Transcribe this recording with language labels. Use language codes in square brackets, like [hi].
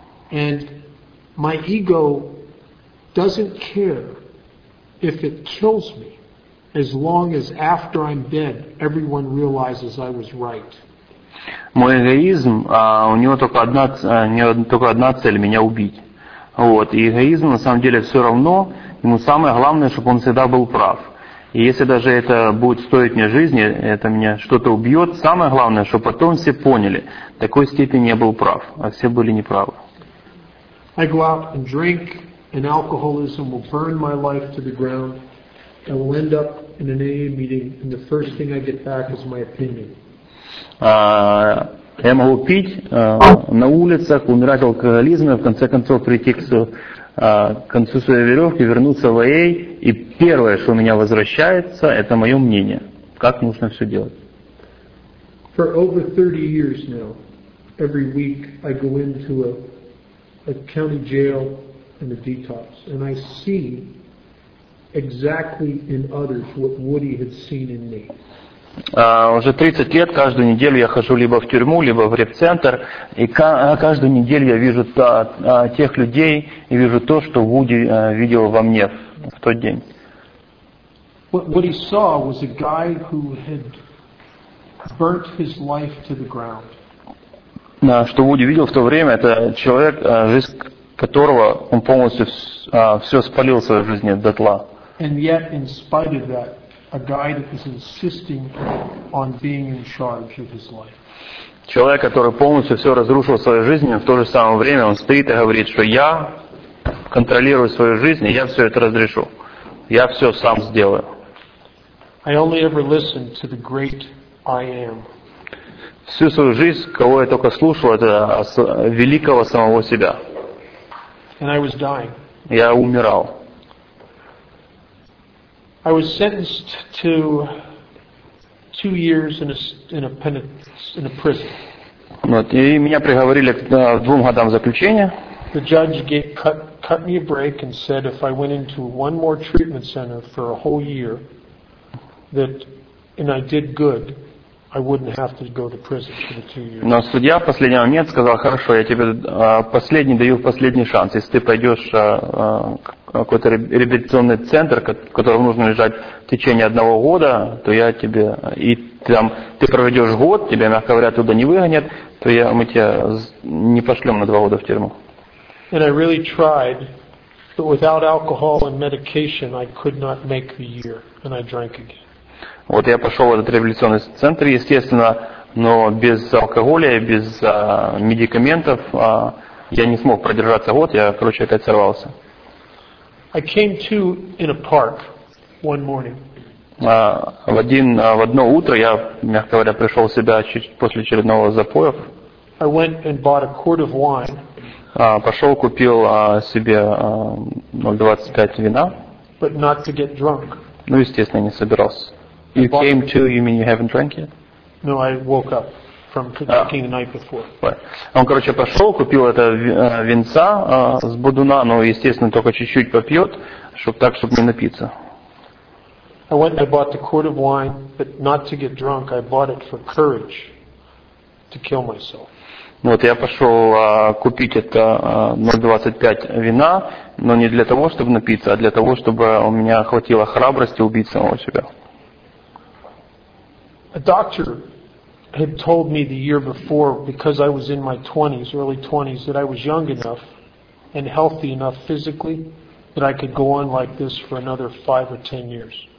[en] And my ego doesn't care if it kills me. as long as after I'm dead, everyone realizes I was right. [ru] Мой эгоизм, у него только одна, цель, меня убить. Вот. И эгоизм, на самом деле, все равно, ему самое главное, чтобы он всегда был прав. И если даже это будет стоить мне жизни, это меня что-то убьет, самое главное, чтобы потом все поняли, в такой степени я был прав, а все были неправы. [en] I go out and drink, and alcoholism will burn my life to the ground. I will end up in an AA meeting, and the first thing I get back is my opinion. [ru] Я могу пить на улицах, умирать алкоголизмом, в конце концов прийти к, к концу своей веревки, вернуться в АА, и первое, что у меня возвращается, это мое мнение, как нужно все делать. [en] For over 30 years now, every week I go into a county jail and a detox, and I see exactly in others what Woody had seen in me. [ru] Уже 30 лет каждую неделю я хожу либо в тюрьму, либо в реп-центр, и каждую неделю я вижу тех людей и вижу то, что Вуди видел во мне в тот день. [en] What he saw was a guy who had burnt his life to the ground. [ru] Что Вуди видел в то время, это человек, жизнь которого он полностью все спалил в своей жизни дотла. [en] And yet, in spite of that, a guy that was insisting on being in charge of his life. [ru] Человек, который полностью все разрушил в своей жизни, в то же самое время он стоит и говорит, что я контролирую свою жизнь, и я все это разрешу. Я все сам сделаю. [en] I only ever listened to the great I am. [ru] Всю свою жизнь, кого я только слушал, это великого самого себя. [en] And I was dying. [ru] Я умирал. [en] I was sentenced to 2 years in a prison. [ru] Вот, и меня приговорили к 2 годам заключения. [en] The judge cut me a break and said if I went into one more treatment center for a whole year that and I did good, I wouldn't have to go to prison for the 2 years. [ru] Но судья в последний момент сказал: "Хорошо, я тебе последний даю последний шанс. Если ты пойдешь какой-то реабилитационный центр, в котором нужно лежать в течение 1 года, то я тебе и там ты проведешь год, тебя, мягко говоря, туда не выгонят, то мы тебя не пошлем на 2 года в тюрьму". [en] And I really tried, but without alcohol and medication, I could not make the year, and I drank again. [ru] Вот я пошел в этот реабилитационный центр, естественно, но без алкоголя и без медикаментов я не смог продержаться год, я, короче, опять сорвался. [en] I came to in a park one morning. [ru] В одно утро я, мягко говоря, пришел в себя после очередного запоев. [en] I went and bought a quart of wine. [ru] Пошел, купил себе 0,25 вина. [en] But not to get drunk. [ru] Ну, естественно, не собирался. [en] You came to, you mean you haven't drank yet? No, I woke up from drinking the night before. Right. [ru] Он, короче, пошел, купил это винца с бодуна, но, естественно, только чуть-чуть попьет, чтобы не напиться. [en] I went and I bought the quart of wine, but not to get drunk, I bought it for courage to kill myself. [ru] Вот, я пошел купить это 0,25 вина, но не для того, чтобы напиться, а для того, чтобы у меня хватило храбрости убить самого себя. [en] A doctor had told me the year before, because I was in my 20s, early 20s, that I was young enough and healthy enough physically that I could go on like this for another 5 or 10 years.